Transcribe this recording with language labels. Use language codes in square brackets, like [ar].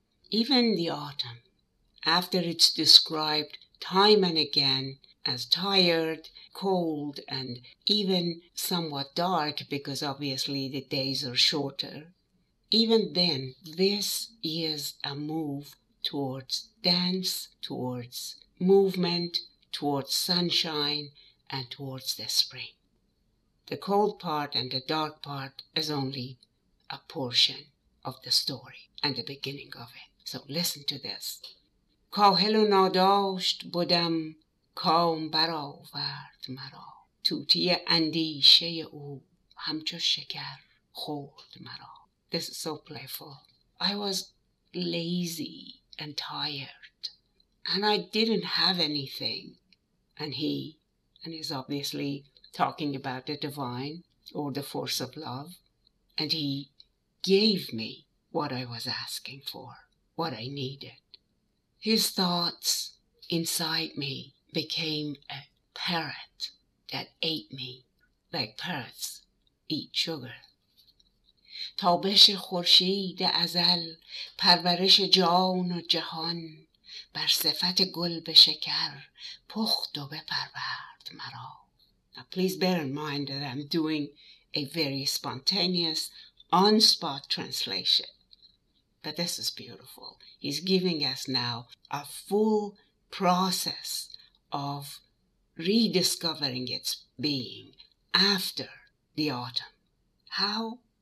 [en] Even the autumn, after it's described time and again as tired, cold, and even somewhat dark, because obviously the days are shorter, even then, this is a move towards dance, towards movement, towards sunshine, and towards the spring. The cold part and the dark part is only a portion of the story and the beginning of it. So listen to this. [fa] کاهل و ناداشت بودم کام برآورد مرا توتی اندیشه او همچو شکر خورد مرا. [en] This is so playful. I was lazy and tired and I didn't have anything. And he's obviously talking about the divine or the force of love. And he gave me what I was asking for, what I needed. His thoughts inside me became a parrot that ate me, like parrots eat sugar. [fa] تابش خورشید ازل پرورش جان و جهان بر صفت گل به شکر پخت و بپرورد مرا. [en] Now please bear in mind that I'm doing a very spontaneous, on-spot translation. But this is beautiful. He's giving us now a full process of rediscovering its being after the autumn. How?